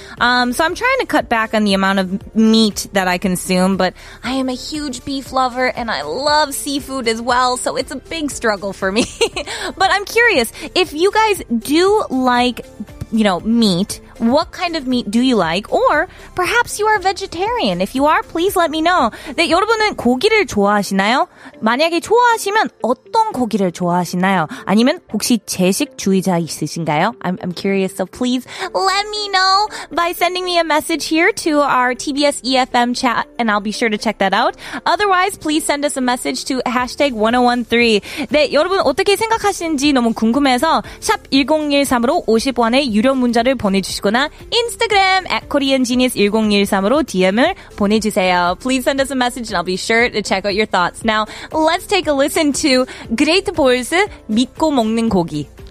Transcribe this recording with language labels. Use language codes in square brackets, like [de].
[en] So I'm trying to cut back on the amount of meat that I consume, but I am a huge beef lover and I love seafood as well. So it's a big struggle for me. But I'm curious if you guys do like meat. What kind of meat do you like? Or perhaps you are vegetarian. If you are, please let me know. [ko] 네, 여러분은 고기를 좋아하시나요? 만약에 좋아하시면 어떤 고기를 좋아하시나요? 아니면 혹시 채식주의자 있으신가요? [en] I'm curious, so please let me know by sending me a message here to our TBS EFM chat, and I'll be sure to check that out. Otherwise, please send us a message to hashtag 1013. [ko] 네, 여러분 어떻게 생각하시는지 너무 궁금해서 샵 1013으로 50원의 유료 문자를 보내주시고 거나 인스타그램 @koreangenius1013으로 DM을 보내주세요. [en] Please send us a message and I'll be sure to check out your thoughts. Now, let's take a listen to Great Balls 믿고 먹는 고기.